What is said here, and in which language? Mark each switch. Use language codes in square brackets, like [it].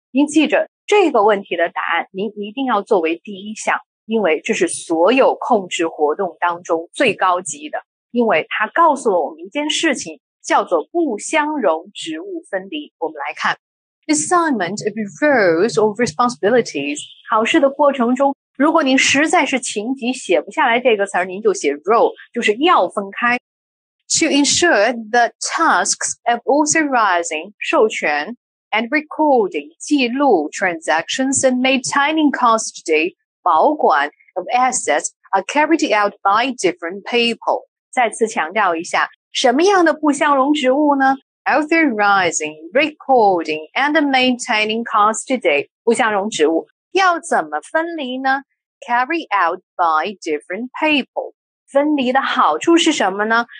[zh] 您记着这个问题的答案，您一定要作为第一项，因为这是所有控制活动当中最高级的，因为它告诉了我们一件事情，叫做不相容职务分离。我们来看 [en] assignment of roles or responsibilities。 [zh] 考试的过程中，如果您实在是情急写不下来这个词，您就写 role， 就是要分开。 [en] To ensure the tasks of authorizing 授权and recording 记录 transactions and maintaining custody 保管 of assets are carried out by different people。 [zh] 再次强调一下，什么样的不相容职务呢？ [en] Authorizing, recording and maintaining custody [zh] 不相容职务要怎么分离呢？ [en] Carry out by different people。 [zh] 分离的好处是什么呢？